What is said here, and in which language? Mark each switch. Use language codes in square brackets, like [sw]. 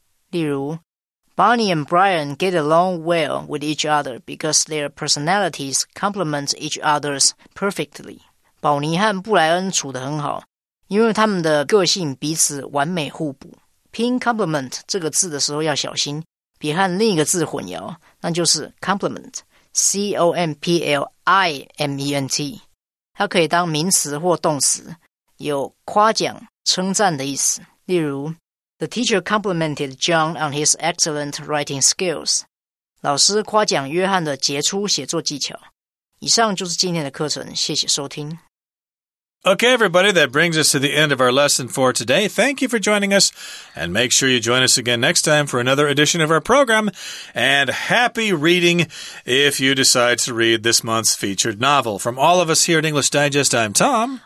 [zh] 例如 [en] Barney and Brian get along well with each other because their personalities complement each other's perfectly. [zh] 宝尼和布莱恩处得很好，因为他们的个性彼此完美互补。拼 complement 这个字的时候要小心，别和另一个字混淆，那就是 complement, [en] C-O-M-P-L-I-M-E-N-T. [zh] 它可以当名词或动词，有夸奖、称赞的意思。例如 [en] The teacher complimented John on his excellent writing skills. [zh] 老师夸奖约翰的杰出写作技巧。以上就是今天的课程，谢谢收听。 [en] Okay, everybody, that brings us to the end of our lesson for today. Thank you for joining us, and make sure you join us again next time for another edition of our program. And happy reading if you decide to read this month's featured novel. From all of us here at English Digest, I'm Tom.